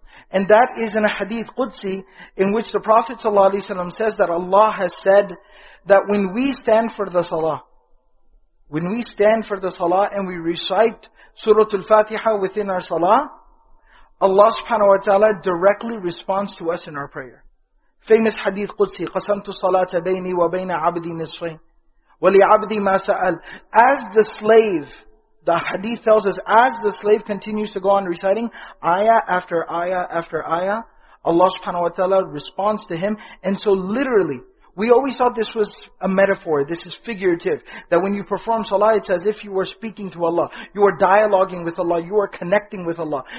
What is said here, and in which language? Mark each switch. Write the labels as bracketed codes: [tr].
[en] And that is in a hadith Qudsi, in which the Prophet ﷺ says that Allah has said that when we stand for the salah, when we stand for the salah and we recite Suratul Fatiha within our salah, Allah subhanahu wa ta'ala directly responds to us in our prayer. [ar] Famous hadith Qudsi, قَسَمْتُ الصَّلَاةَ بَيْنِي وَبَيْنَ عَبْدِي نِصْفَيْنِ وَلِعَبْدِي مَا سَأَلْ. [en] As the slave, the hadith tells us, as the slave continues to go on reciting ayah after ayah after ayah, Allah subhanahu wa ta'ala responds to him. And so literally, we always thought this was a metaphor, this is figurative, that when you perform salah, it's as if you were speaking to Allah, you are dialoguing with Allah, you are connecting with Allah.